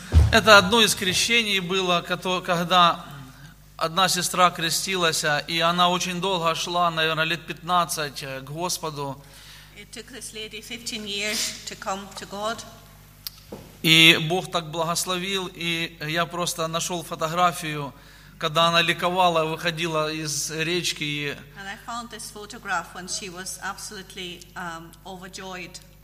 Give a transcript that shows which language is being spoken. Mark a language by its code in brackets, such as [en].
[ru] Это одно из крещений было, когда одна сестра крестилась, и она очень долго шла, наверное, лет 15 к Господу. [en] It took this lady 15 years to come to God. [ru] И Бог так благословил, и я просто нашел фотографию, когда она ликовала, выходила из речки. И... [en] And I found this photograph when she was absolutely overjoyed.